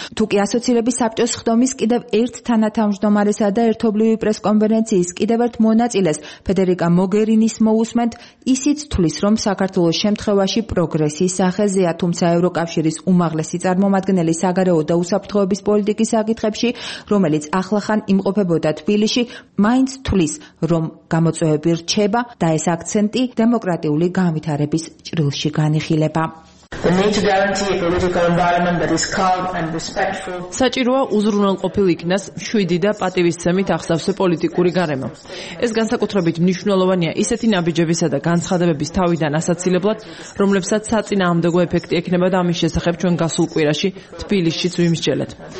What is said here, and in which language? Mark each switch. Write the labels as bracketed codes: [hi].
[ka] თუ კი ასოცირების საბჭოს ხდომის კიდევ ერთ თანათავმჯდომარესა და ერთობლივი პრესკონფერენციის კიდევ ერთ მონაწილეს ფედერიკა გერინის მოუსმენთ, ისიც თვლის, რომ საქართველოს შემთხვევაში პროგრესის სახეზეა, თუმცა ევროკავშირის უმაღლესი წარმომადგენელი საგარეო და უსაფრთხოების პოლიტიკის საკითხებში, რომელიც ახლახან იმყოფებოდა თბილისში, მაინც თვლის, რომ გამოწვევები რჩება და ეს აქცენტი დემოკრატიული განვითარების ჭრილში განიხილება. [en] The need to guarantee a political environment that is calm and respectful. [ka] საჭიროა უზრუნველყოფილ იქნას მშვიდი და პატივისცემით აღსავსე პოლიტიკური გარემო. ეს განსაკუთრებით მნიშვნელოვანია ისეთი ნაბიჯებისა და განცხადებების თავიდან ასაცილებლად, რომლებსაც საწინააღმდეგო ეფექტი ექნება და ამის შესახებ ჩვენ გასულ კვირაში თბილისშიც ვიმსჯელეთ.